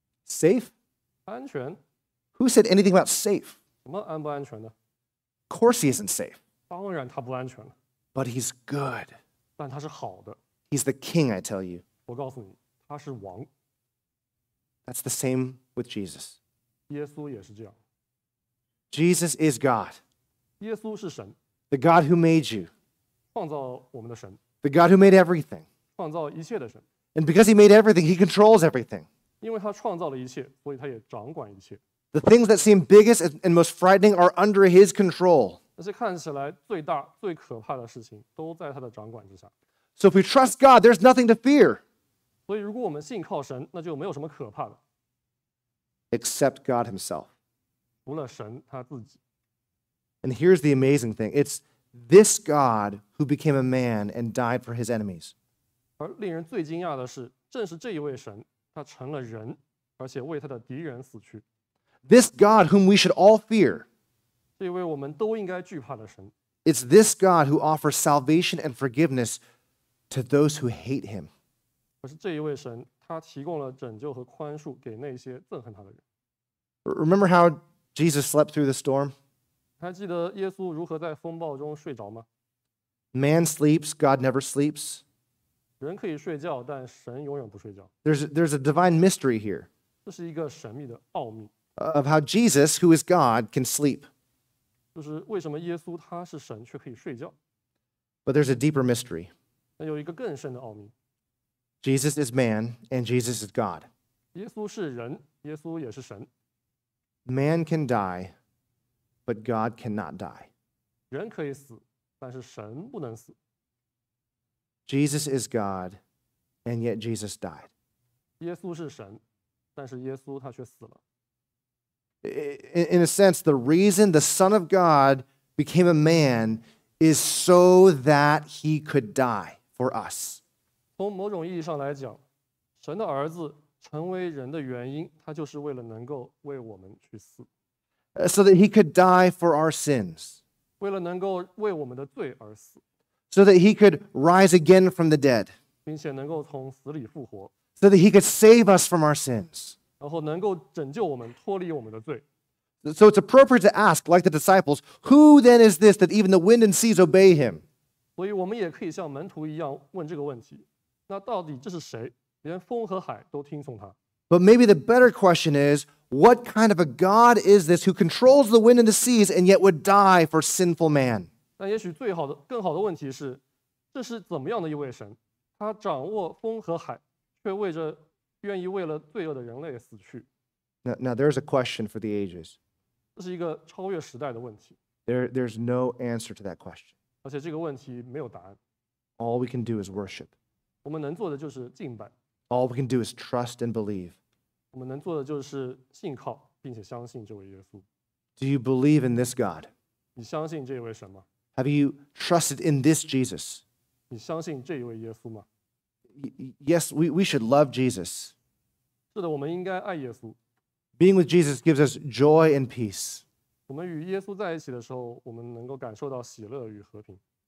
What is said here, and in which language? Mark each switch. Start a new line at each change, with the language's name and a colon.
English: Safe?
Chinese: 安全？
English: Who said anything about safe?
Chinese: 什么安不安全的？
English: Of course he isn't safe.
Chinese: 当然他不安全了。
English: But he's good.
Chinese: 但他是好的。
English: He's the king, I tell you.
Chinese: 我告诉你，他是王。
English: That's the same with Jesus.
Chinese: 耶稣也是这样。
English: Jesus is God.
Chinese: 耶稣是神。
English: The God who made you.
Chinese: 创造我们的神。
English: The God who made everything.
Chinese: 创造一切的神。
English: And because he made everything, he controls everything.
Chinese: 因为他创造了一切，所以他也掌管一切。
English: The things that seem biggest and most frightening are under his control.
Chinese: 那些看起来最大、最可怕的事情都在他的掌管之下。
English: So if we trust God, there's nothing to fear.
Chinese: 所以如果我们信靠神，那就没有什么可怕的。
English: Except God himself.
Chinese: 除了神他自己。
English: And here's the amazing thing. It's this God who became a man and died for his enemies.
Chinese: 而令人最惊讶的是，正是这一位神，他成了人，而且为他的敌人死去。
English: This God whom we should all fear.
Chinese: 这一位我们都应该惧怕的神。
English: It's this God who offers salvation and forgiveness to those who hate him.
Chinese: 而是这一位神，他提供了拯救和宽恕给那些憎恨他的人。
English: Remember how Jesus slept through the storm?
Chinese: 还记得耶稣如何在风暴中睡着吗？
English: Man sleeps, God never sleeps.
Chinese: 人可以睡觉，但神永远不睡觉。
English: There's a divine mystery here.
Chinese: 这是一个神秘的奥秘。
English: Of how Jesus, who is God, can sleep.
Chinese: 就是为什么耶稣他是神却可以睡觉。
English: But there's a deeper mystery.
Chinese: 那有一个更深的奥秘。
English: Jesus is man, and Jesus is God.
Chinese: 耶稣是人，耶稣也是神。
English: Man can die, but God cannot die.
Chinese: 人可以死，但是神不能死。
English: Jesus is God, and yet Jesus died.
Chinese: 耶稣是神，但是耶稣他却死了。
English: In a sense, the reason the Son of God became a man is so that he could die for us.
Chinese: 从某种意义上来讲，神的儿子成为人的原因，他就是为了能够为我们去死。
English: So that he could die for our sins.
Chinese: 为了能够为我们的罪而死。
English: So that he could rise again from the dead.
Chinese: 并且能够从死里复活。
English: So that he could save us from our sins.
Chinese: 然后能够拯救我们，脱离我们的罪。
English: So it's appropriate to ask, like the disciples, who then is this that even the wind and seas obey him?
Chinese: 所以我们也可以像门徒一样问这个问题，那到底这是谁？连风和海都听从他。
English: But maybe the better question is, what kind of a God is this who controls the wind and the seas and yet would die for sinful man?
Chinese: 但也许最好的、更好的问题是，这是怎么样的一位神？他掌握风和海，却为着愿意为了罪恶的人类死去。
English: Now there's a question for the ages.
Chinese: 这是一个超越时代的问题。
English: There's no answer to that question.
Chinese: 而且这个问题没有答案。
English: All we can do is worship.
Chinese: 我们能做的就是敬拜。
English: All we can do is trust and believe.
Chinese: 我们能做的就是信靠并且相信这位耶稣。
English: Do you believe in this God?
Chinese: 你相信这位神吗？
English: Have you trusted in this Jesus?
Chinese: 你相信这位耶稣吗？
English: Yes, we should love Jesus.
Chinese: 是的，我们应该爱耶稣。
English: Being with Jesus gives us joy and peace.
Chinese: 我们与耶稣在一起的时候，我们能够感受到喜乐与和平。